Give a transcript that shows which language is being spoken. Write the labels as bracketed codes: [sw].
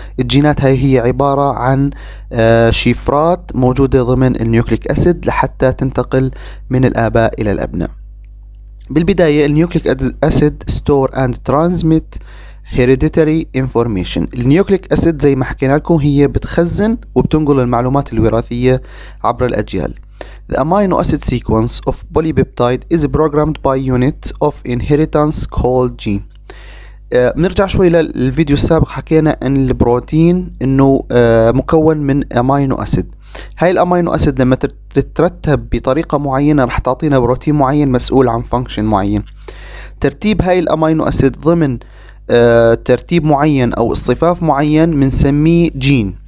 [ar] الجينات هاي هي عبارة عن شفرات موجودة ضمن النيوكليك أسيد لحتى تنتقل من الآباء إلى الأبناء. [en] بالبداية النيوكليك acid store and transmit hereditary information. [ar] النيوكليك اسيد زي ما حكينا لكم هي بتخزن وبتنقل المعلومات الوراثيه عبر الاجيال. [en] The amino acid sequence of polypeptide is programmed by unit of inheritance called gene. [ar] بنرجع شوي للفيديو السابق، حكينا ان البروتين انه مكون من امينو اسيد. هاي الامينو اسيد لما تترتب بطريقه معينه رح تعطينا بروتين معين مسؤول عن فانكشن معين. ترتيب هاي الامينو اسيد ضمن ترتيب معين او اصطفاف معين بنسميه جين.